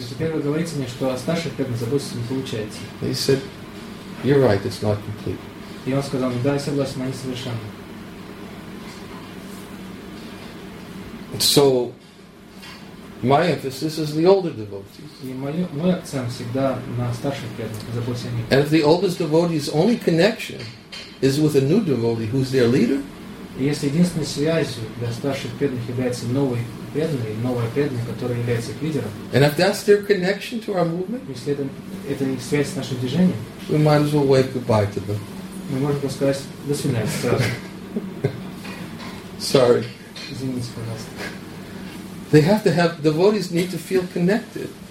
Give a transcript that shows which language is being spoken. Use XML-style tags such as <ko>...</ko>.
<ru>И теперь вы говорите мне, что о старших преданных заботиться не получается.</ru> <en>He said, you're right, it's not complete.</en> <ru>И он сказал, да, я согласен, они совершенны.</ru> <en>So my emphasis is the older devotees.</en> <ru>И мой акцент всегда на старших преданных, заботиться о них.</ru> <en>And if the oldest devotee's only connection is with a new devotee who's their leader,</en> <ru>и если единственной связью для старших преданных является новый преданный, новая преданная, которая является их лидером,</ru> <en>and if that's their connection to our movement,</en> <ru>если это их связь с нашим движением,</ru> <en>we might as well wave goodbye to them.</en> <ru>Мы можем сказать до свидания сразу.</ru> <en>Sorry.</en> <ru>Извините, пожалуйста.</ru> <en>They have to have devotees need to feel connected.</en>